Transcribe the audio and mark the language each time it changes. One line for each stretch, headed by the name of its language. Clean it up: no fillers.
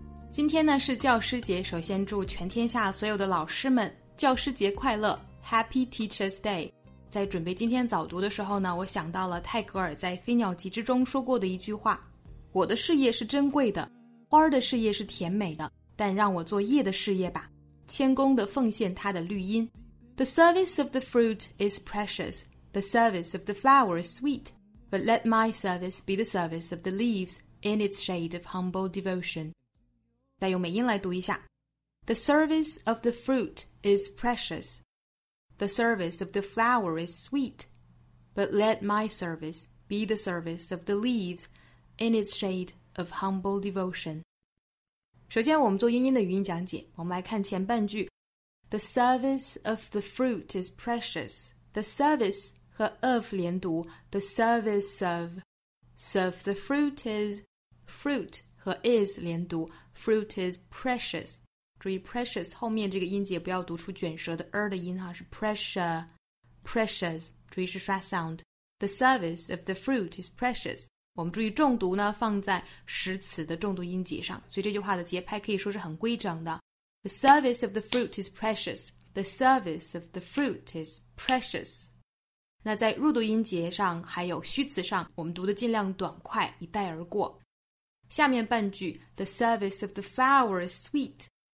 Chinese: 今天呢是教师节，首先祝全天下所有的老师们教师节快乐 ,
English: Happy Teacher's Day。
Chinese: 在准备今天早读的时候呢，我想到了泰戈尔在《飞鸟集》之中说过的一句话，我的事业是珍贵的，花的事业是甜美的，但让我做叶的事业吧，谦恭地奉献它的绿荫。
English: The service of the fruit is precious, the service of the flower is sweet, but let my service be the service of the leaves in its shade of humble devotion.
Chinese: 再用美音来读一下。
English: The service of the fruit is precious, the service of the flower is sweet, but let my service be the service of the leavesIn its shade of humble devotion.
Chinese: 首先我们做英音的语音讲解，我们来看前半句。
English: The service of the fruit is precious. The service 和 of 连读， The service of. Serve the fruit is. Fruit 和 is 连读， Fruit is precious.
Chinese: 注意 precious 后面这个音节不要读出卷舌的 er 的音哈，是 pressure.
English: Precious 注意是 schwa sound. The service of the fruit is precious.
Chinese: 我们注意重读呢放在实词的重读音节上，所以这句话的节拍可以说是很规整的。
English: The service of the fruit is precious. The service of the fruit is precious.
Chinese: 那在入读音节上还有虚词上，我们读的尽量短快，一带而过。下面半句
English: The service of the flower is sweet.